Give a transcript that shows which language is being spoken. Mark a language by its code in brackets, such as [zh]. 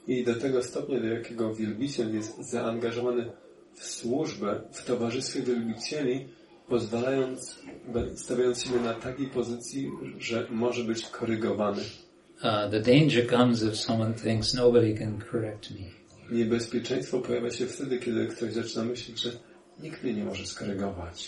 [pl] I do tego stopnia, do jakiego wielbiciel jest zaangażowany w służbę, w towarzystwie wielbicieli, pozwalając, stawiając siebie na takiej pozycji, że może być korygowany. [en] The danger comes if someone thinks nobody can correct me. [pl] Niebezpieczeństwo pojawia się wtedy, kiedy ktoś zaczyna myśleć, że nikt mnie nie może skorygować.